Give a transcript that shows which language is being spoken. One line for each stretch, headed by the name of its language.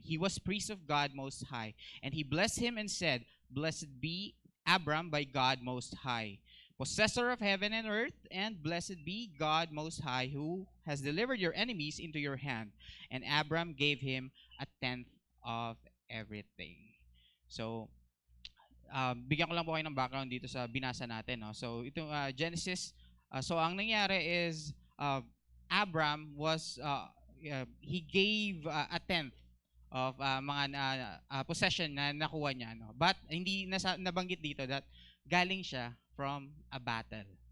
English: He was priest of God Most High. And he blessed him and said, 'Blessed be Abram by God Most High, possessor of heaven and earth, and blessed be God Most High, who has delivered your enemies into your hand.' And Abram gave him a tenth of everything."
Filipino: So, bigyan ko lang po kayo ng background dito sa binasa natin, no? So, itong Genesis.
English: So,
Filipino: ang nangyari
English: is, Abram was he gave a tenth of
Filipino: mga
English: possession
Filipino: na nakuha niya, no?
English: But
Filipino: hindi nabanggit dito
English: that
Filipino: galing siya
English: from a battle.